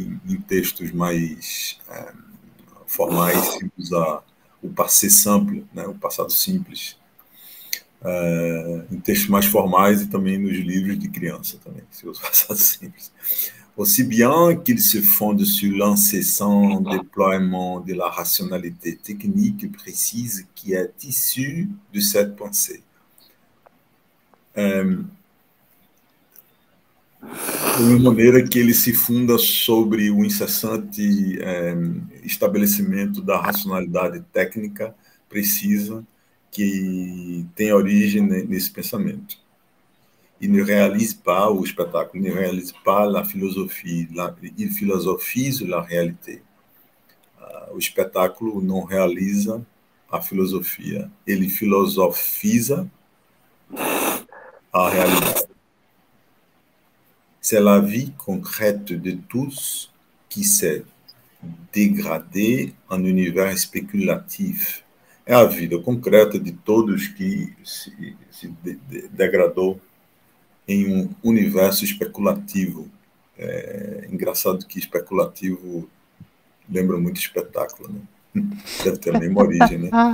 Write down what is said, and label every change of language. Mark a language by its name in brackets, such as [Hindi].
[Portuguese] Em textos mais formais, se usa o passé simple, né? O passado simples. Em textos mais formais e também nos livros de criança, também, se usa o passado simples. [French] Aussi bien qu'il se fonde sur l'incessant déploiement de la rationalité technique précise qui est issue de cette pensée. [Portuguese] De mesma maneira que ele se funda sobre o incessante estabelecimento da racionalidade técnica precisa que tem origem nesse pensamento. [French] Il ne réalise pas le spectacle, il ne réalise pas la philosophie, il philosophise la réalité. Le spectacle ne réalise pas la philosophie, il philosophise la réalité. C'est la vie concrète de tous qui s'est dégradée en univers spéculatif. [Portuguese] É a vida concreta de todos que se degradou em um universo especulativo. É engraçado que especulativo lembra muito espetáculo, né? Deve ter a mesma origem, né?